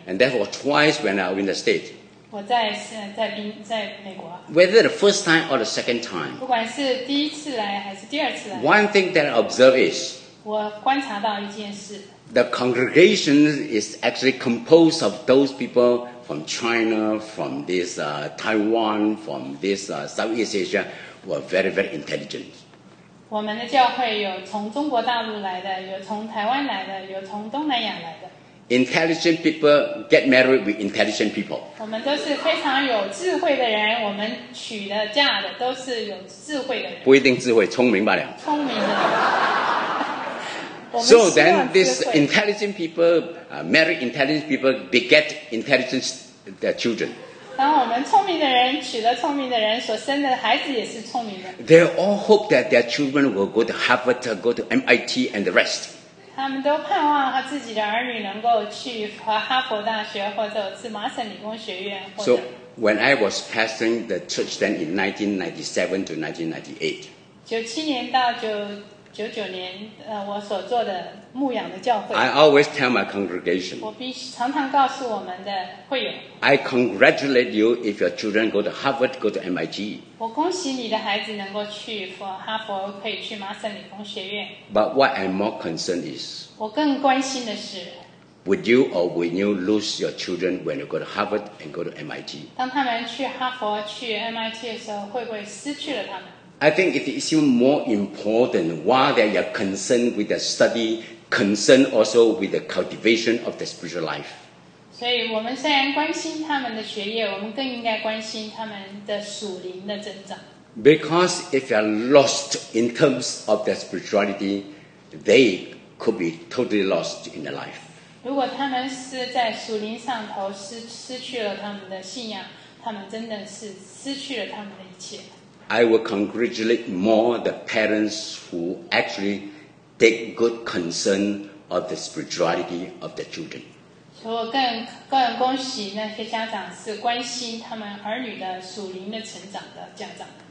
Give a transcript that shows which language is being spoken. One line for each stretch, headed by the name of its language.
English: and that was twice when I was in the state
Chinese: 我 在美国
English: Whether the first time or the second time
Chinese: 不管是第一次来还是第二次来
English: One thing that I observe is
Chinese: 我观察到一件事
English: The congregation is actually composed of those people from China, from this Taiwan, from this Southeast Asia who are very very intelligent
Chinese: 我们的教会有从中国大陆来的有从台湾来的有从东南亚来的
English: Intelligent people get married with intelligent people.
Chinese: 我们都是非常有智慧的人，我们娶的嫁的都是有智慧的人。不一定智慧，聪明罢了。聪明的。
English: So then, these intelligent people marry intelligent people, beget intelligent their children.
Chinese: 当我们聪明的人娶了聪明的人，所生的孩子也是聪明的。
English: They all hope that their children will go to Harvard, go to MIT, and the rest.
Chinese: 他们都盼望和自己的儿女能够去哈佛大学或者是麻省理工学院。
English: So when I was pastoring the church then in 1997 to 1998,
Chinese: 97年到99年，我所做的牧养的教会。
English: I always tell my congregation.
Chinese: 我必须常常告诉我们的会友。
English: I congratulate you if your children go to Harvard, go to MIT.
Chinese: 我恭喜你的孩子能够去哈佛，可以去麻省理工学院。
English: But what I'm more concerned is.
Chinese: 我更关心的是。
English: Would you or will you lose your children when you go to Harvard and go to MIT?
Chinese: 当他们去哈佛、去 MIT 的时候，会不会失去了他们？
English: I think it is even more important while they are concerned with the study, concerned also with the cultivation of the spiritual life.
Chinese: 所以我们虽然关心他们的学业，我们更应该关心他们的属灵的增长。
English: Because if they are lost in terms of their spirituality, they could be totally lost in their life.
Chinese: 如果他们是在属灵上头失去了他们的信仰，他们真的是失去了他们的一切。
English: I will congratulate more the parents who actually take good concern of the spirituality of their children.
Chinese: 所以我更恭喜那些家长是关心他们儿女的属灵的成长的家长。